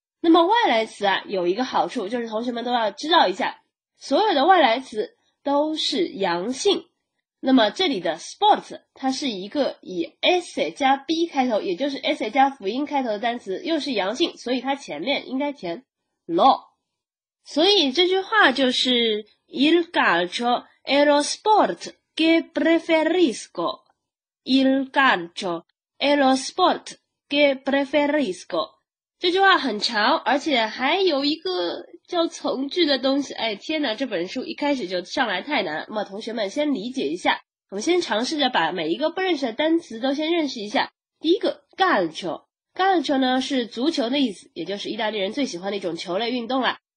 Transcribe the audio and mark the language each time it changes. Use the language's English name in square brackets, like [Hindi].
[Chinese] 那么外来词啊有一个好处，就是同学们都要知道一下，所有的外来词都是阳性。那么这里的 sport 它是一个以 s 加 b 开头，也就是 s 加辅音开头的单词，又是阳性，所以它前面应该填 lo。所以这句话就是 [Italian] Il calcio è lo sport che preferisco. Il calcio è lo sport che preferisco. [Chinese] 这句话很长，而且还有一个叫从句的东西。哎，天哪，这本书一开始就上来太难了。那么同学们先理解一下，我们先尝试着把每一个不认识的单词都先认识一下。第一个 calcio， calcio 呢是足球的意思，也就是意大利人最喜欢的一种球类运动啦。